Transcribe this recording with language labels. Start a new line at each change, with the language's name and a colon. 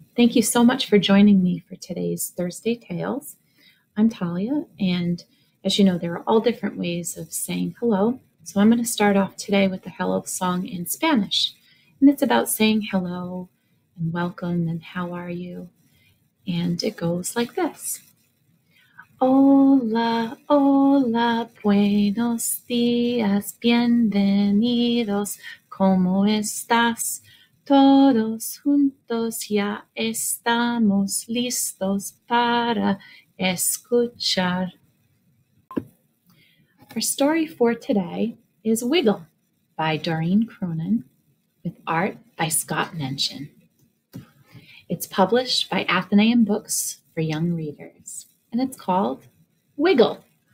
English: Thank you so much for joining me for today's Thursday Tales. I'm Talia, and as you know, there are all different ways of saying hello. So I'm going to start off today with the hello song in Spanish. And it's about saying hello and welcome and how are you. And it goes like this.
Spanish: Hola, hola, buenos días, bienvenidos, ¿cómo estás? Todos juntos ya estamos listos para escuchar.
English: Our story for today is Wiggle by Doreen Cronin with art by Scott Menchen. It's published by Athenaeum Books for Young Readers, and it's called Wiggle.